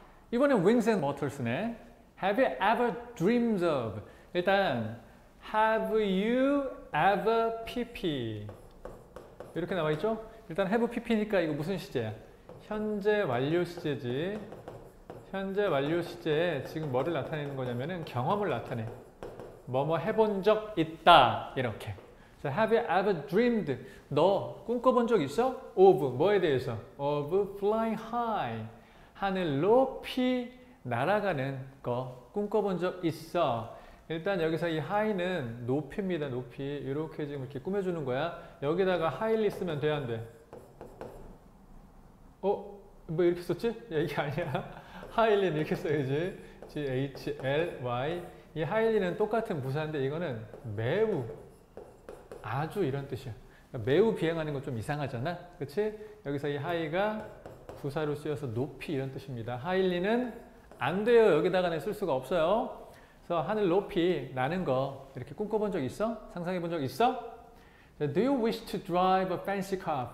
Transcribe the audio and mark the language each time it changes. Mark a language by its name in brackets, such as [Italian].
[Korean] 이번엔 [English] Wings and Bottles네. Have you ever dreamed of? [Korean] 일단 [English] Have you ever PP? [Korean] 이렇게 나와 있죠? 일단 have PP니까 이거 무슨 시제야? 현재 완료 시제지. 현재 완료 시제에 지금 뭐를 나타내는 거냐면은 경험을 나타내. 뭐뭐 해본 적 있다. 이렇게. [English] So, have you ever dreamed? [Korean] 너 꿈꿔본 적 있어? Of 뭐에 대해서? [English] Of flying high. [Korean] 하늘 높이 날아가는 거 꿈꿔본 적 있어? 일단 여기서 이 high는 높이입니다. 높이. 이렇게 지금 이렇게 꾸며주는 거야. 여기다가 highly 쓰면 돼, 안 돼? 어? 뭐 이렇게 썼지? 야, 이게 아니야. highly는 이렇게 써야지. [English] G-H-L-Y. [Korean] 이 highly는 똑같은 부사인데 이거는 매우. 아주 이런 뜻이야. 매우 비행하는 건좀 이상하잖아. 그치? 여기서 이 하이가 부사로 쓰여서 높이 이런 뜻입니다. 하일리는 안 돼요. 여기다가는 쓸 수가 없어요. 그래서 하늘 높이 나는 거 이렇게 꿈꿔본 적 있어? 상상해 본적 있어? [English] Do you wish to drive a fancy car?